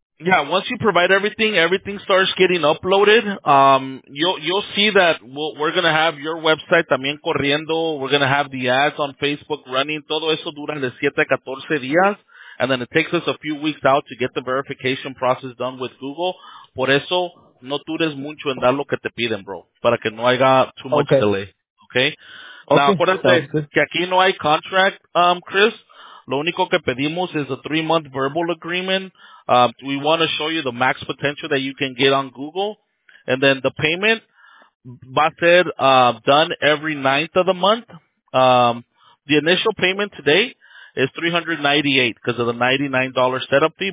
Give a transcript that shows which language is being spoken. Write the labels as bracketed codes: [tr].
[en] Yeah, once you provide everything starts getting uploaded. You'll see that we're going to have your website también corriendo. We're going to have the ads on Facebook running. [es] Todo eso dura de 7 a 14 días. [en] And then it takes us a few weeks out to get the verification process done with Google. [es] Por eso, no dures mucho en dar lo que te piden, bro. Para que no haya [en] too much delay. [es] Okay? [en] Okay. [es] Now, acuérdate que aquí no hay contract, Chris. Lo único que pedimos es [en] a 3-month verbal agreement. We want to show you the max potential that you can get on Google. And then the payment [es] va a ser [en] done every 9th of the month. The initial payment today is $398 because of the $99 setup fee.